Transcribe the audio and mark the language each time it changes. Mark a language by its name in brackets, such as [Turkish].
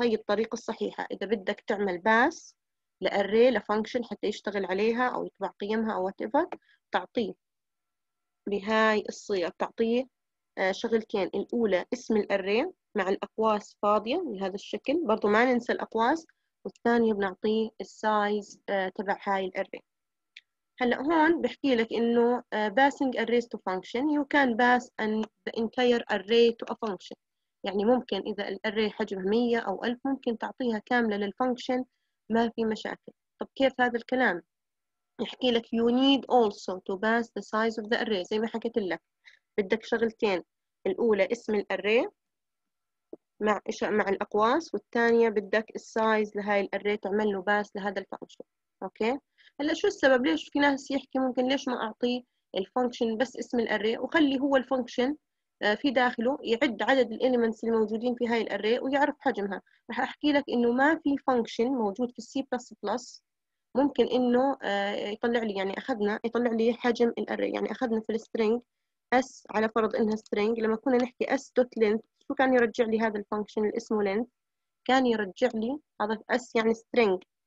[Arabic] هي الطريقه الصحيحه اذا بدك تعمل باس لاري لفانكشن حتى يشتغل عليها او يطبع قيمها او وات ايفر، تعطيه بهاي الصيغه، تعطيه شغلتين، الاولى اسم الاري مع الاقواس فاضيه بهذا الشكل، برضو ما ننسى الاقواس، والثانية بنعطيه السايز تبع هاي الاري. هلا هون بحكي لك انه [English] passing arrays to function you can pass in the entire array to a function, [Arabic] يعني ممكن اذا الاري حجمها 100 او 1000 ممكن تعطيها كامله للفانكشن ما في مشاكل. طب كيف هذا الكلام؟ يحكي لك [English] you need also to pass the size of the array. [Arabic] زي ما حكيت لك بدك شغلتين، الأولى اسم الأري مع إيش مع الأقواس، والثانية بدك السايز لهاي الأري تعمل له باس لهذا الفانكشن. أوكي، هلا شو السبب ليش في ناس يحكي ممكن ليش ما أعطيه الفانكشن بس اسم الأري وخلي هو الفانكشن في داخله يعد عدد الإليمنتس الموجودين في هاي الأري ويعرف حجمها؟ رح أحكي لك إنه ما في فانكشن موجود في السي بلس بلس ممكن إنه يطلع لي، يعني أخذنا يطلع لي حجم الأري، يعني أخذنا في السترينج اس على فرض انها string، لما كنا نحكي s dot length شو كان يرجع لي هذا الفانكشن اللي اسمه length؟ كان يرجع لي هذا s يعني string.